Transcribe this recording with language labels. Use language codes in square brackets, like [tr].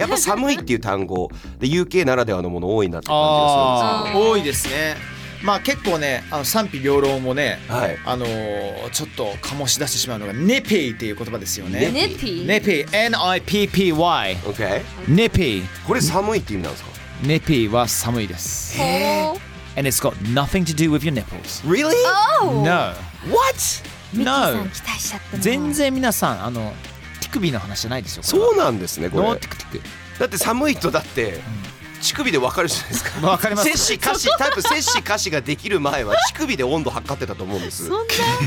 [ja] やっぱ寒いっていう単語で UK ならではのもの多いなって感じがするんですよ。多いですね。まあ結構ね、賛否両論もね、はい、ちょっと醸し出してしまうのがニピーっていう言葉ですよね。ニピー、ニピー、 N-I-P-P-Y、 [en] okay、 [ja] ニピー、これ寒いって意味なんですか。ニピーは寒いです。へぇ、 [en] And it's got nothing to do with your nipples. Really? Oh! No. What? No. [ja] 全然皆さん、手首の話じゃないですよ。そうなんですね、これ。ノーティクティク。だって寒いと、だって、乳首で分かるじゃないですか。分かります。摂氏、下肢、多分摂氏、下肢ができる前は、乳首で温度測ってたと思うんです。そんな